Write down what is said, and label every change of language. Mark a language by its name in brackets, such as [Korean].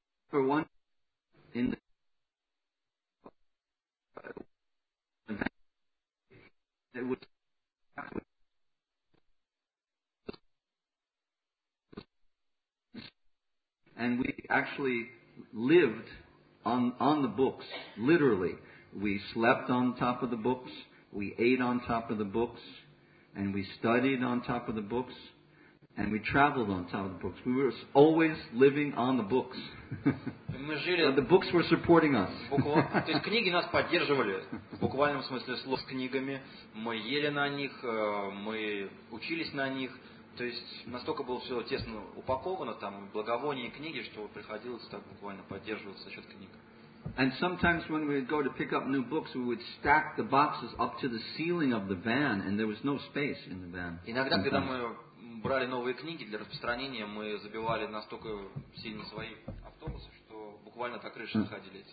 [English] For one, in the event, it was and we actually lived on the books, literally. We slept on top of the books, we ate on top of the books, and we studied on top of the books, and we traveled on top of the books. We were always living on the books. But the books were supporting us. [Russian] То есть книги нас поддерживали, в буквальном смысле слов, с книгами. Мы ели на них, мы учились на них. То есть настолько было все тесно упаковано, там, благовоние книги, что приходилось так буквально поддерживаться за счет книг. [English] And sometimes when we would go to pick up new books, we would stack the boxes up to the ceiling of the van, and there was no space in the van. [Russian] Иногда, когда мы брали новые книги для распространения, мы забивали настолько сильно свои автобусы, что буквально до крыши доходили.